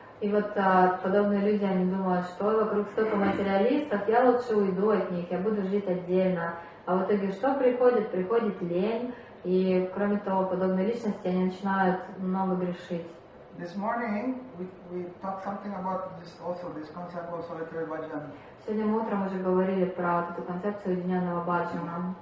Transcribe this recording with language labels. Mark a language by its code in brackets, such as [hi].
[ru] И вот подобные люди, они думают, что вокруг столько материалистов, я лучше уйду от них, я буду жить отдельно. А в итоге что приходит? Приходит лень. И кроме того, подобные личности, они начинают много грешить. [en] This morning we talked something about this also, this concept of solitary bhajan. [ru] Сегодня мы утром уже говорили про вот эту концепцию уединенного баджана.